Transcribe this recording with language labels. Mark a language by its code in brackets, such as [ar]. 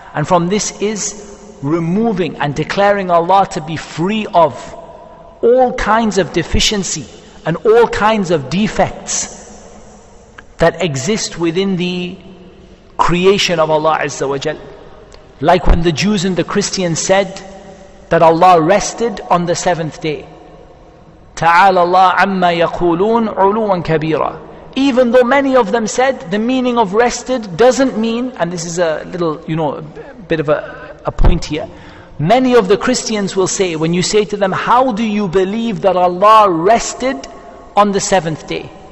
[en] And from this is removing and declaring Allah to be free of all kinds of deficiency and all kinds of defects that exist within the creation of Allah Azza wa Jal. Like when the Jews and the Christians said that Allah rested on the seventh day. [ar] تعالى الله عما يقولون علوا كبيرا. [en] Even though many of them said the meaning of rested doesn't mean, and this is a little, you know, bit of a point here. Many of the Christians will say, when you say to them, how do you believe that Allah rested on the seventh day?